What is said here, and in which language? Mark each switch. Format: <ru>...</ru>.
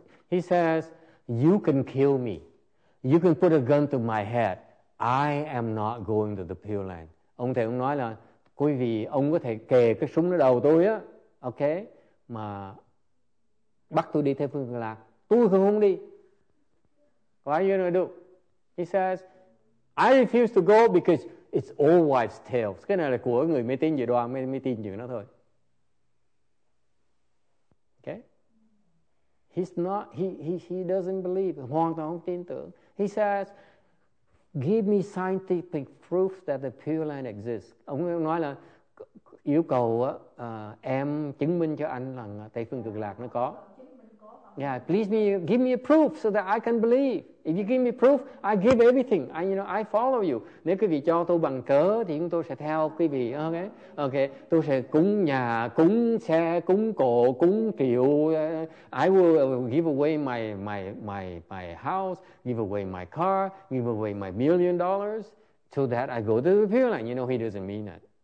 <en>He says, you can kill me. You can put a gun to my head. I am not going to the Pure Land.</en> <vi>Ông thầy ông nói là, quý vị, ông có thể kề cái súng ở đầu tôi á, okay, mà bắt tôi đi theo phương lạc. Tôi không đi.</vi> <en>What are you going to do? He says, I refuse to go because it's all wives' tales.</en> <vi>Cái này là của người mê tín dị đoan, mê tín dị nó thôi.</vi> <en>Okay? He doesn't believe.</en> <vi>Hoàn toàn không tin tưởng.</vi> <en>He says, give me scientific proof that the Pure Land exists.</en> <vi>Ông nói là yêu cầu em chứng minh cho anh là Tây Phương Cực Lạc nó có.</vi> <en>Yeah, please give me a proof so that I can believe. If you give me proof, I give everything. I follow you.</en> <vi>Nếu quý vị cho tôi bằng cớ thì chúng tôi sẽ theo quý vị. Okay, okay. Tôi sẽ cúng nhà, cúng xe, cúng cổ, cúng kiệu.</vi> <en>I will give away my house, give away my car, give away my $1 million so that I go to the Pure Land. You know, he doesn't mean that.</en>